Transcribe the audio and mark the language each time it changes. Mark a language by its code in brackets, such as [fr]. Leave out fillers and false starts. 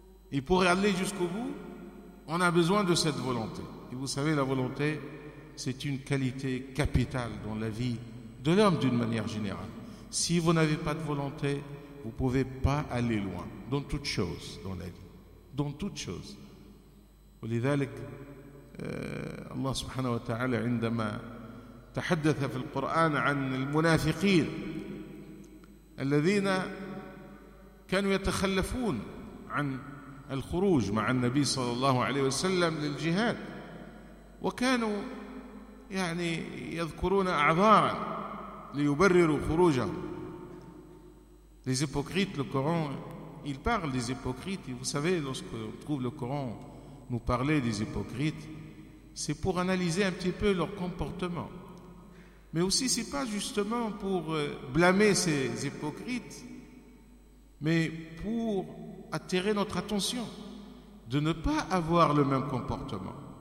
[fr] Et pour aller jusqu'au bout, on a besoin de cette volonté. Et vous savez, la volonté, c'est une qualité capitale dans la vie de l'homme d'une manière générale. Si vous n'avez pas de volonté, vous ne pouvez pas aller loin dans toute chose dans la vie. Dans toute chose. [ar] ولذلك الله سبحانه وتعالى عندما تحدث في القرآن عن المنافقين الذين كانوا يتخلفون عن الخروج مع النبي صلى الله عليه وسلم للجهاد، وكانوا يعني يذكرون أعذارا ليبرروا خروجهم. [fr] Les hypocrites, le Coran, il parle des hypocrites. Et vous savez, lorsque on trouve le Coran nous parler des hypocrites, c'est pour analyser un petit peu leur comportement. Mais aussi, ce n'est pas justement pour blâmer ces hypocrites, mais pour attirer notre attention de ne pas avoir le même comportement.